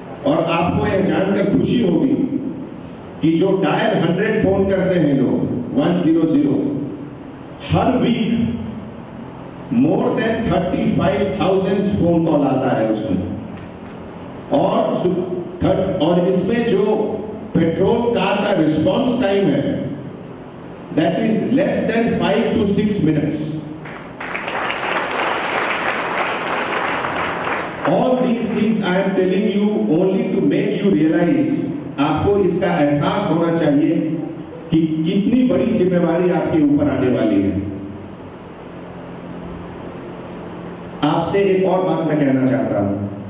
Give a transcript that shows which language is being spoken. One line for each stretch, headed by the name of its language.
Hindi: और आपको यह जानकर खुशी होगी कि जो डायल 100 फोन करते हैं लोग 100 हर week more than 35,000 phone call आता है उसमें. और इसमें जो पेट्रोल कार का रिस्पॉन्स टाइम है
English: That is less than 5-6 minutes. All these things I am telling you only to make you realize.
Hindi: आपको इसका एहसास होना चाहिए कि कितनी बड़ी जिम्मेवारी आपके ऊपर आने वाली है. आपसे एक और बात मैं कहना चाहता हूं.